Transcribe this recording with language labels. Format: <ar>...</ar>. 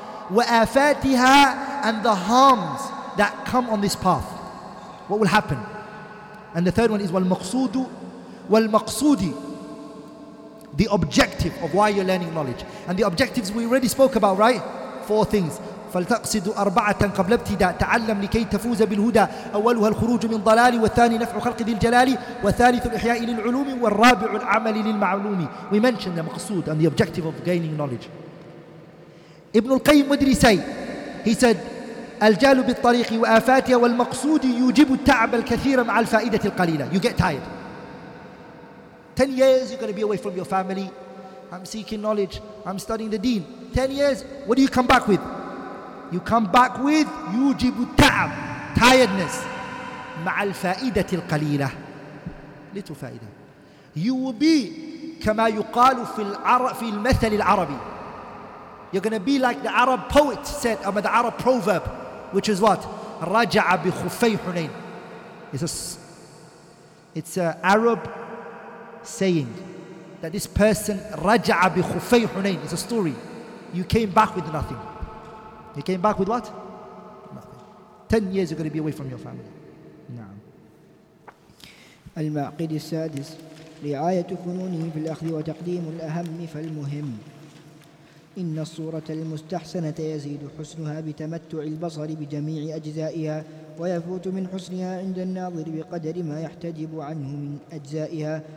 <en>وَآفَاتِهَا, and the harms that come on this path. What will happen? And the third one is</en> <ar>وَالْمَقْصُودُ وَالْمَقْصُودِ,</ar> <en>the objective of why you're learning knowledge. And the objectives we already spoke about, right? Four things.</en> <ar>فلتقصد أربعة قبل ابتداء تعلم لكي تفوز بالهدى أولها الخروج من ضلال والثاني نفع خلق ذي الجلال والثالث الإحياء للعلوم والرابع العمل للمعلوم.</ar> <en>We mentioned the maqsood and the objective of gaining knowledge. Ibn al-Qayyim, what did he say? He said</en> <ar>الجهل بالطريق وآفاته والمقصود يوجب التعب الكثير مع الفائدة القليلة.</ar> <en>You get tired. 10 years you're going to be away from your family. I'm seeking knowledge. I'm studying the deen. 10 years, what do you come back with? You come back with</en> <ar>yujibu ta'am,</ar> <en>tiredness.</en> <ar>Ma'al fa'idati al-qalila, little fa'idah.</ar> <en>You will be</en> <ar>kama yuqalu fil mathal al-arabi.</ar> <en>You're going to be like the Arab poet said, or the Arab proverb, which is what?</en> <ar>Raja'a bi khufay hunayn.</ar> <en>It's an Arab saying that this person,</en> <ar>raja'a bi khufay hunayn.</ar> <en>It's a story. You came back with nothing. He came back with what? Nothing. 10 years you're going to be away from your family.</en> <ar>نعم. المعقد السادس رعاية فنونه في الأخذ وتقديم الأهم فالمهم. إن الصورة المستحسنة يزيد حسنها بتمتع البصر بجميع أجزائها ويفوت من حسنها عند الناظر بقدر ما يحتجب عنه من أجزائها.</ar>